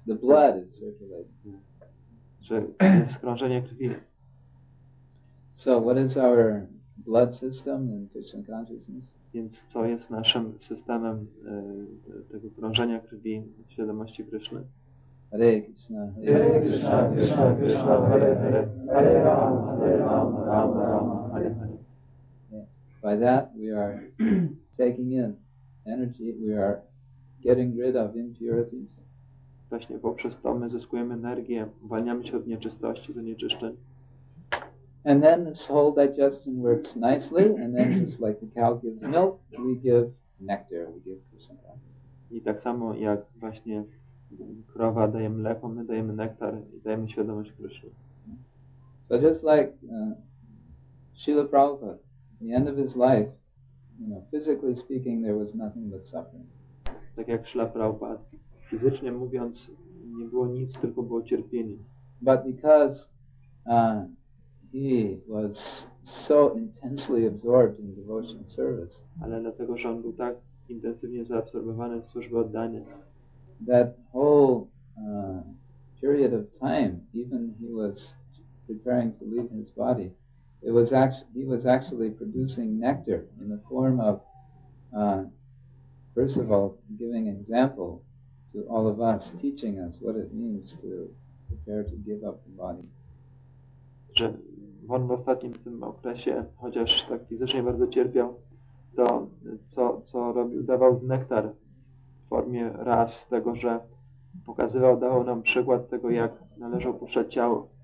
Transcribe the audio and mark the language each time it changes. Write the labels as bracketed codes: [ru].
[en] The blood is circulating. [pl] Skrążenie krwi. [en] So what is our blood system in Krishna consciousness? [pl] Więc co jest naszym systemem tego krążenia krwi w świadomości Kryszny? [sa] Hare Krishna, Hare Krishna, Krishna Krishna, Hare Hare, Hare Rama, Hare Rama, Rama Rama, Hare Hare. [en] Yes. By that we are taking in energy, we are getting rid of impurities. [pl] Właśnie poprzez to my zyskujemy energię, uwalniamy się od nieczystości, zanieczyszczeń. [en] And then this whole digestion works nicely, and then just like the cow gives milk, we give nectar, we give Krishna consciousness. [pl] I tak samo jak właśnie krowa daje mleko, my dajemy nektar i dajemy świadomość Krishna. [en] So just like Srila Prabhupada, at the end of his life, you know, physically speaking, there was nothing but suffering. [pl] Tak jak Srila Prabhupada, fizycznie mówiąc, nie było nic, tylko było cierpienie. [en] But because he was so intensely absorbed in devotional service. [pl] Ale dlatego, że on był tak intensywnie zaabsorbowany w służbie oddania. [en] That whole period of time, even he was preparing to leave his body, it was actually, he was actually producing nectar in the form of, first of all, giving example to all of us, teaching us what it means to prepare to give up the body. [pl] Że on w ostatnim tym okresie, chociaż tak fizycznie bardzo cierpiał, to co robił, dawał nektar w formie raz tego, że pokazywał, dawał nam przykład tego, jak należy opuszczać ciało.